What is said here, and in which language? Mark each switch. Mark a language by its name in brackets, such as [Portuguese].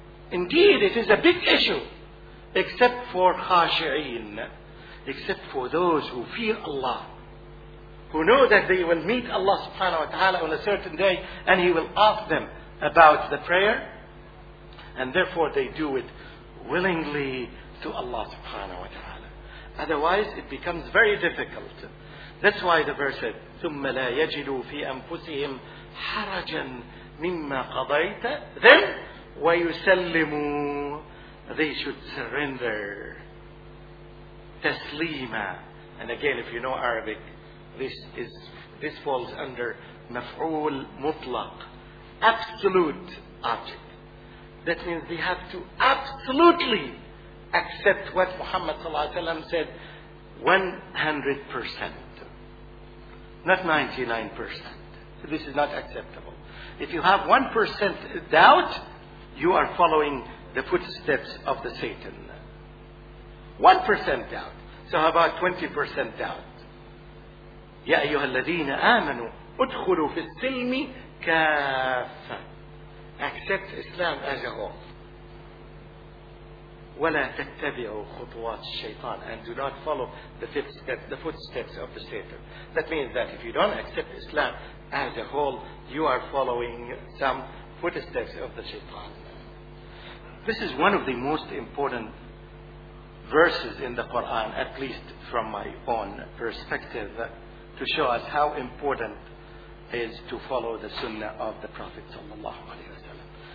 [English] Indeed, it is a big issue, except for khashi'een, except for those who fear Allah, who know that they will meet Allah subhanahu wa ta'ala on a certain day, and He will ask them about the prayer, and therefore they do it willingly to Allah subhanahu wa ta'ala. Otherwise, it becomes very difficult. That's why the verse said, [Arabic] ثُمَّ لَا يَجِدُوا فِي أَنفُسِهِمْ حَرَجًا مِمَّا قَضَيْتَ. [English] Then, وَيُسَلِّمُوا, they should surrender. [Arabic] تَسْلِيمًا. [English] And again, if you know Arabic, this falls under مَفْعُول مُطْلَق. Absolute object. That means we have to absolutely accept what Muhammad ﷺ said 100%. Not 99%. So this is not acceptable. If you have 1% doubt, you are following the footsteps of the Satan. 1% doubt. So how about 20% doubt? [Arabic] يا أيها الذين آمنوا ادخلوا في السلم كافة. [English] Accept Islam as a whole. [Arabic] ولا تتبعوا خطوات الشيطان. [English] And do not follow the footsteps of the Satan. That means that if you don't accept Islam as a whole, you are following some footsteps of the shaitan. This is one of the most important verses in the Quran, at least from my own perspective, to show us how important it is to follow the sunnah of the Prophet sallallahu alaihi wasallam.